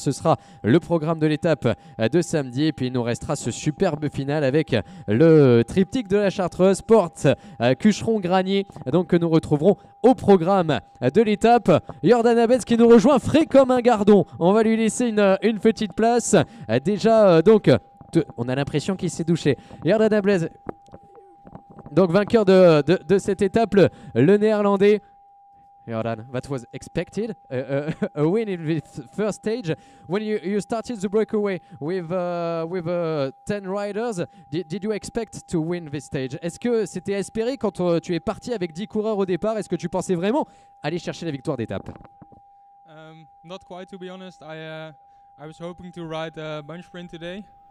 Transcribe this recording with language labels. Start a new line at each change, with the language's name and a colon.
French: Ce sera le programme de l'étape de samedi et puis il nous restera ce superbe final avec le triptyque de la Chartreuse, Porte, Cucheron, Granier, donc que nous retrouverons au programme de l'étape. Jordan Abetz qui nous rejoint frais comme un gardon, on va lui laisser une petite place. Déjà donc on a l'impression qu'il s'est douché. Jordan Abetz, donc vainqueur de cette étape, le Néerlandais.
English: Jordan, that was expected. A win in the first stage. When you started the breakaway with 10 riders, did you expect to win this stage?
French: Est-ce que c'était espéré quand tu es parti avec 10 coureurs au départ? Est-ce que tu pensais vraiment aller chercher la victoire d'étape?
English: Not quite, to be honest. I was hoping to ride a bunch sprint today.